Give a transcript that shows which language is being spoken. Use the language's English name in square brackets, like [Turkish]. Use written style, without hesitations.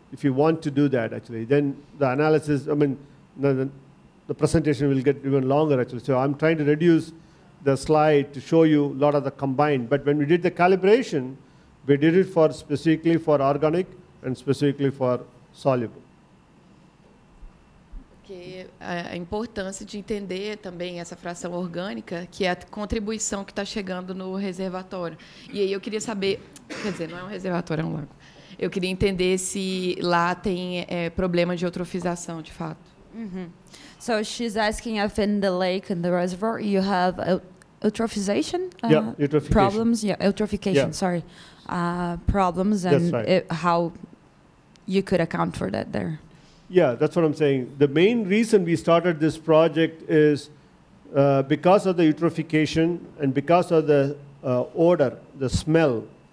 [English] If you want to do that, actually, then the analysis, the presentation will get even longer, actually. So I'm trying to reduce the slide to show you a lot of the combined. But when we did the calibration, we did it for specifically for organic and specifically for soluble. [Portuguese] A importância de entender também essa fração orgânica, que é a contribuição que está chegando no reservatório. E aí eu queria saber, quer dizer, não é um reservatório, é um lago. Eu queria entender se lá tem problema de eutrofização, de fato. Uhum. [English] So she's asking if in the lake and the reservoir you have eutrophization problems? Yeah, eutrophication, sorry. Problems and how you could account for that there. Yeah, that's what I'm saying. The main reason we started this project is because of the eutrophication and because of the odor, the smell.